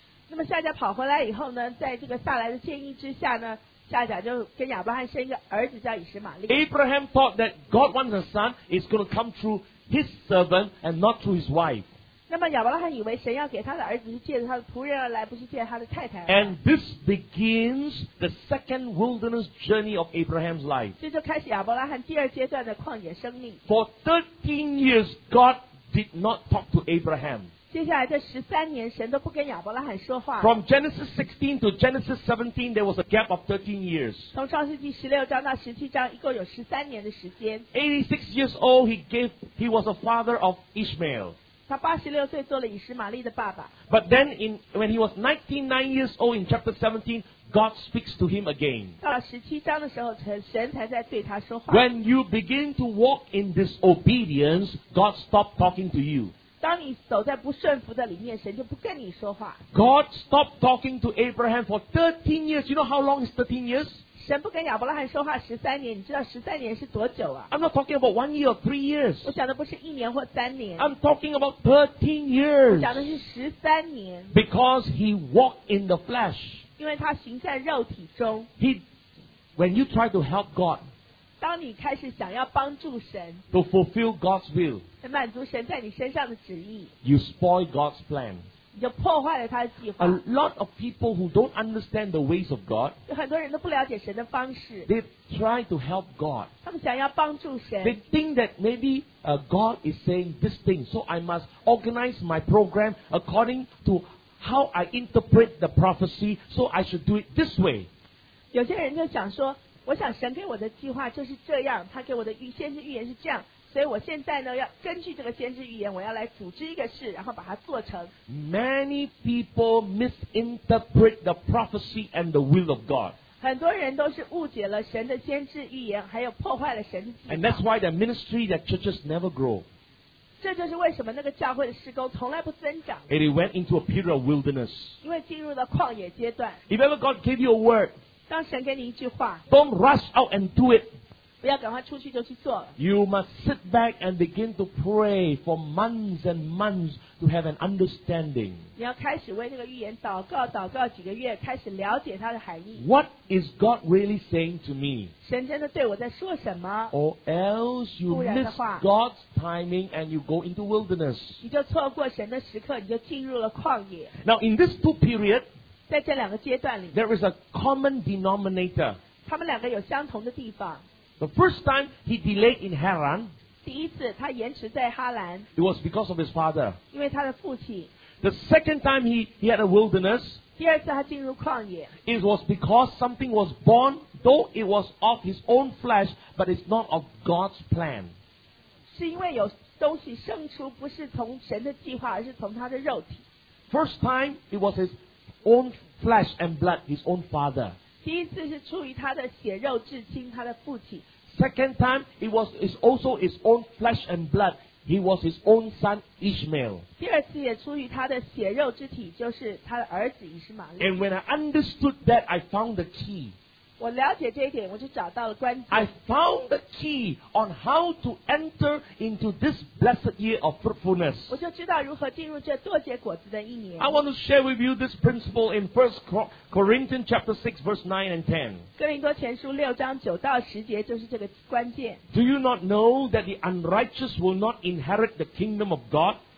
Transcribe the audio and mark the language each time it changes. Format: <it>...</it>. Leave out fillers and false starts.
<zh>那么夏甲跑回来以后呢，在这个撒来的建议之下呢，夏甲就跟亚伯拉罕生一个儿子叫以实玛利。</zh> <en>Abraham thought that God wants a son is going to come through his servant and not through his wife.</en> <zh>那么亚伯拉罕以为神要给他的儿子是借着他的仆人而来，不是借着他的太太。</zh> <en>And this begins the second wilderness journey of Abraham's life.</en> <zh>这就开始亚伯拉罕第二阶段的旷野生命。</zh> <en>For 13 years, God. Did not talk to Abraham.</en> <zh>接下来这十三年，神都不跟亚伯拉罕说话。</zh> <en>From Genesis 16 to Genesis 17, there was a gap of 13 years.</en> <zh>从创世纪十六章到十七章，一共有十三年的时间。</zh> <en>86 years old, he was a father of Ishmael.</en> <zh>他八十六岁做了以实玛利的爸爸。</zh> <en>But then, when he was 99 years old, in chapter 17, God speaks to him again.</en> <zh>到十七章的时候，神才在对他说话。</zh> <en>When you begin to walk in disobedience, God stopped talking to you.</en> <zh>当你走在不顺服的里面，神就不跟你说话。</zh> <en>God stopped talking to Abraham for 13 years. You know how long is 13 years?</en> <zh>神不跟亚伯拉罕说话十三年，你知道十三年是多久啊？</zh> <en>I'm not talking about 1 year or 3 years.</en> <zh>我讲的不是一年或三年。</zh> <en>I'm talking about 13 years.</en> <zh>我讲的是十三年。</zh> <en>Because he walked in the flesh.</en> <zh>因为他行在肉体中。</zh> <en>When you try to help God.</en> <zh>当你开始想要帮助神。</zh> <en>To fulfill God's will.</en> <zh>满足神在你身上的旨意。</zh> <en>You spoil God's plan.</en> <zh>你就破坏了他的计划。</zh> <en>A lot of people who don't understand the ways of God,</en> <zh>有很多人都不了解神的方式。</zh> <en>They try to help God.</en> <zh>他们想要帮助神。</zh> <en>They think that maybe God is saying this thing, so I must organize my program according to how I interpret the prophecy, so I should do it this way.</en> <zh>有些人就想说，我想神给我的计划就是这样，他给我的先知预言是这样。所以我现在呢要根据这个先知预言，我要来组织一个事，然后把它做成。</zh> <en>Many people misinterpret the prophecy and the will of God.</en> <zh>很多人都是误解了神的先知预言，还有破坏了神的计划。</zh> <en>And that's why the ministry, the churches never grow.</en> <zh>这就是为什么那个教会的事工从来不增长。</zh> <en>And it went into a period of wilderness.</en> <zh>因为进入了旷野阶段。</zh> <en>If ever God gave you a word,</en> <zh>当神给你一句话，</zh> <en>don't rush out and do it.</en> <zh>不要赶快出去就去做了。</zh> <en>You must sit back and begin to pray for months and months to have an understanding.</en> <zh>你要开始为那个预言祷告，祷告几个月，开始了解它的含义。</zh> <en>What is God really saying to me?</en> <zh>神真的对我在说什么？</zh> <en>Or else you miss God's timing and you go into wilderness.</en> <zh>你就错过神的时刻，你就进入了旷野。</zh> <en>Now in these two periods,</en> <zh>在这两个阶段里，</zh> <en>there is a common denominator.</en> <zh>他们两个有相同的地方。</zh> <en>The first time he delayed in Haran,</en> <zh>第一次他延迟在哈兰,</zh> <en>it was because of his father.</en> <zh>因为他的父亲,</zh> <en>the second time he had a wilderness,</en> <zh>第二次他进入旷野,</zh> <en>it was because something was born, though it was of his own flesh, but it's not of God's plan.</en> <zh>是因为有东西生出不是从神的计划，而是从他的肉体。</zh> <en>First time, it was his own flesh and blood, his own father.</en> <zh>第一次是出于他的血肉至亲，他的父亲。</zh> <en>Second time, it was is also his own flesh and blood. He was his own son, Ishmael.</en> <zh>第二次也出于他的血肉之体，就是他的儿子以实玛利。</zh> <en>And when I understood that, I found the key.</en> <zh>我了解这一点，我就找到了关键。</zh> <en>I found the key on how to enter into this blessed year of fruitfulness.</en> <zh>我就知道如何进入这多结果子的一年。</zh> <en>I want to share with you this principle in 1 Corinthians chapter 6 verse 9 and 10.</en> <zh>哥林多前书六章九到十节就是这个关键。</zh> <en>Do you not know that the unrighteous will not inherit the kingdom of God?</en>